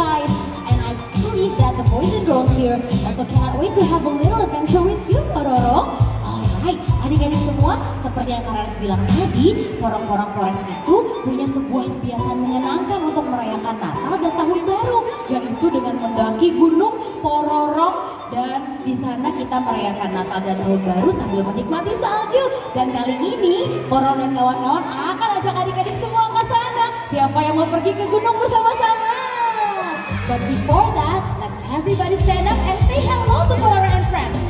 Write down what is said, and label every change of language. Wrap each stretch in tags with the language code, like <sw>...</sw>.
<en>so cannot wait to have a little adventure with you, Pororo. All right,</en> <id>adik-adik. ini semua seperti yang Karas bilang tadi, porong-porong Forest itu punya sebuah kebiasaan menyenangkan untuk merayakan Natal dan Tahun Baru, yaitu dengan mendaki Gunung Pororok. Dan di sana kita merayakan Natal dan Tahun Baru sambil menikmati salju. Dan kali ini Poro dan kawan-kawan akan ajak adik-adik semua ke sana. Siapa yang mau pergi ke gunung bersama-sama?</id> <en>But before that, let everybody stand up and say hello to Poro and friends.</en>